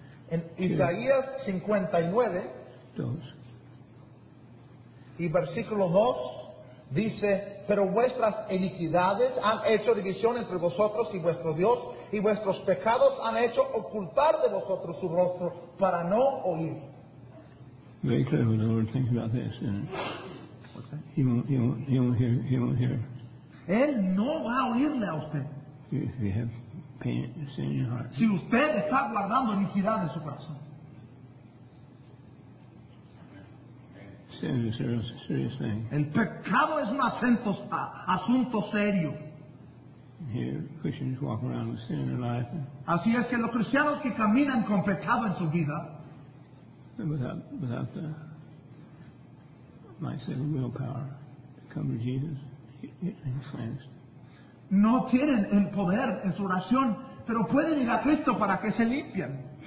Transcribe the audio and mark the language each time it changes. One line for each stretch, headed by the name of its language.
Spanish: En Isaías 59, y versículo 2, dice, pero vuestras iniquidades han hecho división entre vosotros y vuestro Dios, y vuestros pecados han hecho ocultar de vosotros su rostro para no oír.
English: Very clear what the Lord thinks about this. He won't hear.
Spanish: Él no va a oírle a usted.
English: If you have
Spanish: Si usted está guardando iniquidad en su corazón.
English: Serious thing.
Spanish: El pecado es un asunto serio.
English: Christians walk around with sin in their life.
Spanish: Así es que los cristianos que caminan con pecado en su vida.
English: Without the, might say the willpower to come to Jesus, he's cleansed.
Spanish: No tienen el poder en su oración, pero pueden ir a Cristo para que se limpien.